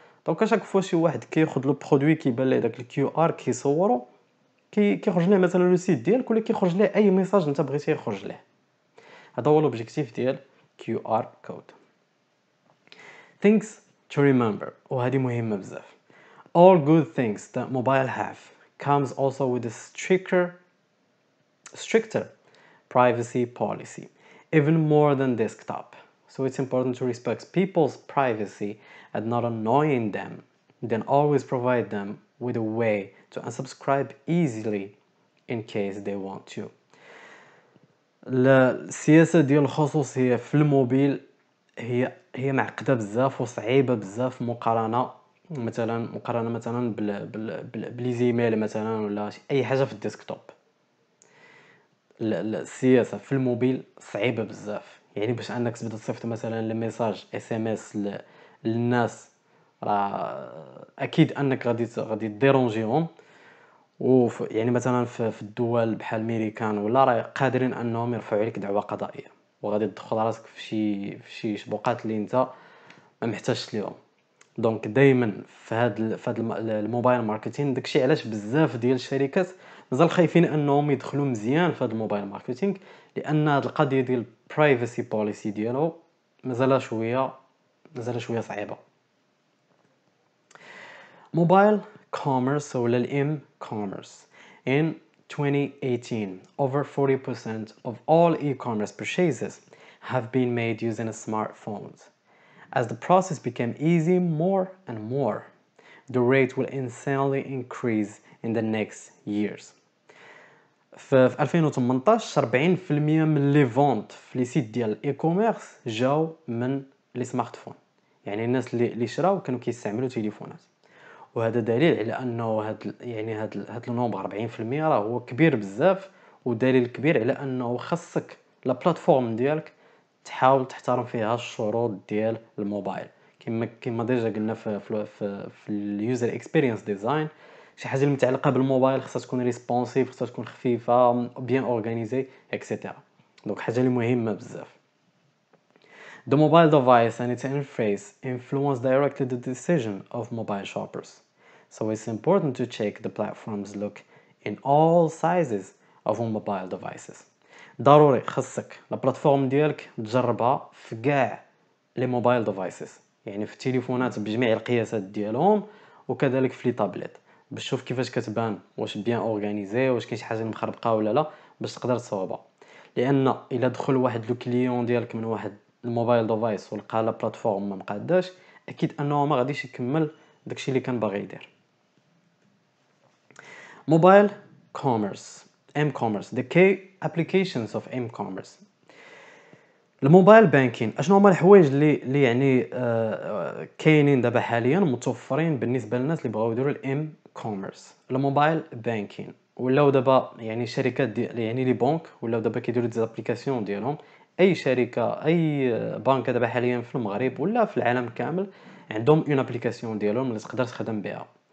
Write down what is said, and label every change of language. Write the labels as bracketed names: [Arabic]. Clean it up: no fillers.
[Arabic] دونك كاشاك فوا شي واحد كياخذ لو برودوي كيبان ليه داك الكيو ار كيصورو كيخرج ليه مثلا لو سيت ديالك ولا كيخرج ليه اي ميساج انت بغيتي يخرج ليه. هذا هو لوبجيكتيف ديال كيو ار كود. [English] things to remember [Arabic] وهذه مهمه بزاف. [English] All good things that mobile have comes also with a stricter privacy policy, even more than desktop. So it's important to respect people's privacy and not annoying them, then always provide them with a way to unsubscribe easily in case they want to. [Arabic] السياسة ديال الخصوصية في الموبايل هي معقدة بزاف وصعيبة بزاف مقارنة مثلا بالايميل مثلا ولا اي حاجه في الديسكتوب. السياسه في الموبايل صعيبه بزاف يعني باش انك تبدا تصيفط مثلا الميساج اس ام اس للناس راه اكيد انك غادي ديرونجيهم. يعني مثلا في الدول بحال امريكان ولا راه قادرين انهم يرفعوا لك دعوه قضائيه وغادي تدخل راسك في شي شبوقات اللي انت ما محتاجش ليهم. دونك دائما في هاد الموبايل ماركتين داكشي علاش بزاف ديال الشركات مازال خايفين انهم يدخلوا مزيان في هاد الموبايل ماركتينغ لان هاد القضيه ديال البرايفسي بوليسي ديالو مازال شويه صعيبه. [English] Mobile commerce ولا الام commerce in 2018 over 40% of all e-commerce purchases have been made using a smartphone. As the process became easy more and more, the rate will insanely increase in the next years. [Arabic] في 2018 40% من لي فونت في لي سيت ديال الاي كوميرس جاو من لي سمارتفون يعني الناس اللي شراو كانوا كيستعملوا تليفونات. وهذا دليل على انه هاد يعني هاد النومبر 40% راه هو كبير بزاف ودليل كبير على انه خصك لا بلاتفورم ديالك تحاول تحترم فيها الشروط ديال الموبايل كما ديجا قلنا في اليوزر اكسبيرينس ديزاين. شي حاجه المتعلقه بالموبايل خصها تكون ريسبونسيف خصها تكون خفيفه بيان اورغانيزي اكسيتيرا. دونك حاجه اللي مهمه بزاف. [English] The mobile device and its interface influence directly the decision of mobile shoppers, so it's important to check the platform's look in all sizes of mobile devices. [Arabic] ضروري خصك البلاتفورم ديالك تجربها في كاع لي موبايل ديفايسز يعني في التليفونات بجميع القياسات ديالهم وكذلك في لي تابلت باش تشوف كيفاش كتبان واش بيان اورغانيزي واش كاين شي حاجه مخربقه ولا لا باش تقدر تصوبها. لان الا دخل واحد لو كليون ديالك من واحد الموبايل ديفايس ولقى لا بلاتفورم ما مقاداش اكيد انه ما غاديش يكمل داكشي اللي كان باغي يدير. [English] Mobile commerce M-commerce, the key applications of M-commerce. [Arabic] الموبايل بانكين اشنو هما الحوايج اللي يعني كاينين دابا حاليا متوفرين بالنسبه للناس اللي بغاو يديروا M-commerce. الموبايل بانكين ولاو دابا يعني شركات يعني لي بنك ولاو دابا كيديروا دي زابليكاسيون ديالهم. اي شركه اي بنك دابا حاليا في المغرب ولا في العالم كامل عندهم اون ابليكاسيون ديالهم اللي تقدر تخدم بها.